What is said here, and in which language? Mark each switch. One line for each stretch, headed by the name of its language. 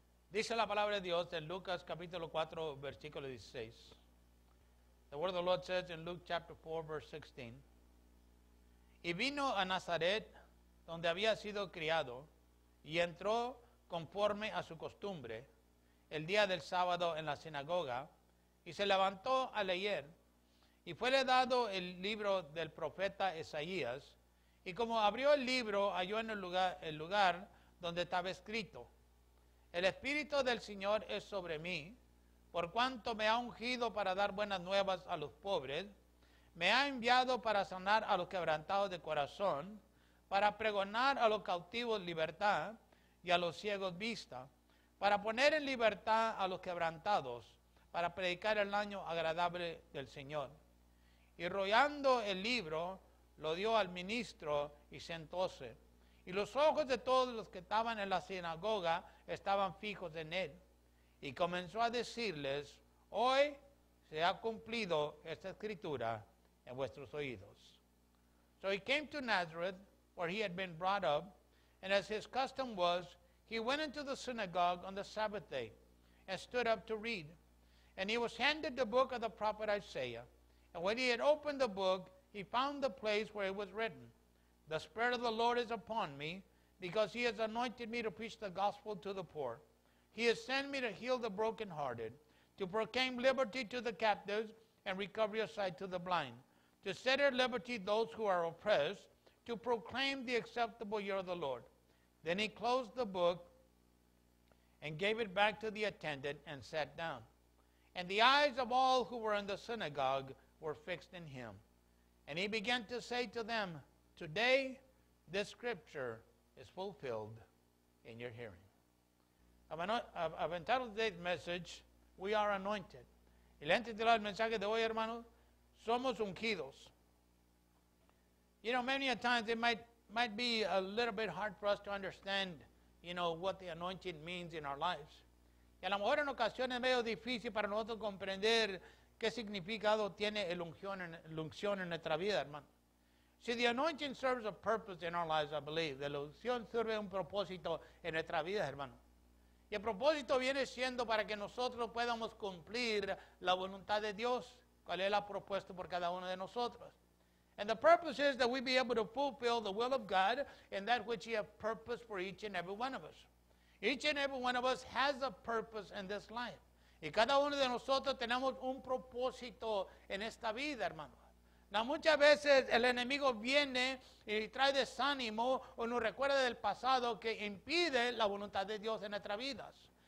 Spanish: Dice la palabra de Dios en Lucas capítulo 4, versículo 16.
English: The word of the Lord says in Luke chapter 4, verse 16.
Spanish: Y vino a Nazaret, donde había sido criado, y entró conforme a su costumbre, el día del sábado en la sinagoga, y se levantó a leer, y fuele dado el libro del profeta Isaías, y como abrió el libro, halló en el lugar donde estaba escrito, el Espíritu del Señor es sobre mí, por cuanto me ha ungido para dar buenas nuevas a los pobres, me ha enviado para sanar a los quebrantados de corazón, para pregonar a los cautivos libertad y a los ciegos vista, para poner en libertad a los quebrantados, para predicar el año agradable del Señor. Y rollando el libro, lo dio al ministro y sentóse. Y los ojos de todos los que estaban en la sinagoga estaban fijos en él. Y comenzó a decirles, hoy se ha cumplido esta escritura en vuestros oídos.
English: So he came to Nazareth, where he had been brought up, and as his custom was, he went into the synagogue on the Sabbath day and stood up to read. And he was handed the book of the prophet Isaiah. And when he had opened the book, he found the place where it was written, the Spirit of the Lord is upon me, because he has anointed me to preach the gospel to the poor. He has sent me to heal the brokenhearted, to proclaim liberty to the captives and recovery of sight to the blind, to set at liberty those who are oppressed, to proclaim the acceptable year of the Lord. Then he closed the book and gave it back to the attendant and sat down. And the eyes of all who were in the synagogue were fixed in him. And he began to say to them, today this scripture is fulfilled in your hearing. I've entitled today's message, We Are Anointed.
Spanish: Y le he titulado el mensaje de hoy, hermano, Somos Ungidos.
English: You know, many a times it might be a little bit hard for us to understand, you know, what the anointing means in our lives.
Spanish: Y a lo mejor en ocasiones es medio difícil para nosotros comprender qué significado tiene el unción en nuestra vida, hermano.
English: See, the anointing serves a purpose in our lives, I believe.
Spanish: La unción sirve un propósito en nuestra vida, hermano. Y el propósito viene siendo para que nosotros podamos cumplir la voluntad de Dios, cuál Él ha propuesto por cada uno de nosotros.
English: And the purpose is that we be able to fulfill the will of God in that which He has purposed for each and every one of us. Each and every one of us has a purpose in this life.
Spanish: Y cada uno de nosotros tenemos un propósito en esta vida, hermano. Now, muchas veces el enemigo viene y trae desánimo o nos recuerda del pasado que impide la voluntad de Dios en nuestras vidas.